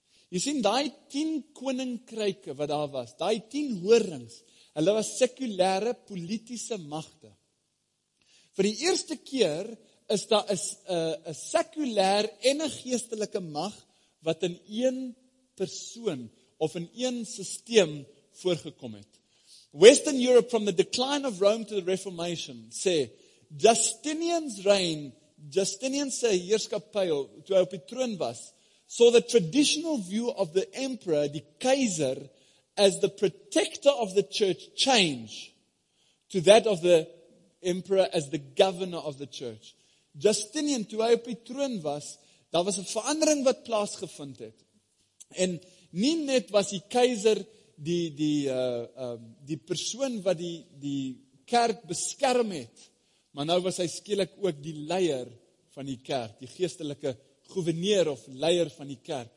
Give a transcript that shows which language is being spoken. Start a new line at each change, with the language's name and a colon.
Afrikaans: Jy sien, die 10 koninkryke wat daar was, die 10 horings, hulle was sekulêre politieke magte. Vir die eerste keer is daar 'n sekulêr en 'n geestelike mag wat in een persoon of in een systeem voorgekom het.
English: Western Europe from the decline of Rome to the Reformation sê, Justinian's reign,
Afrikaans: Justinian se heerskappy toe hy op die troon was,
English: so the traditional view of the emperor,
Afrikaans: die keiser,
English: as the protector of the church change to that of the emperor as the governor of the church.
Afrikaans: Justinian, toe hy op die troon was, daar was 'n verandering wat plaasgevind het. En nie net was die keiser die persoon wat die kerk beskerm het, maar nou was hy skielik ook die leier van die kerk, die geestelike goewerneur of leier van die kerk.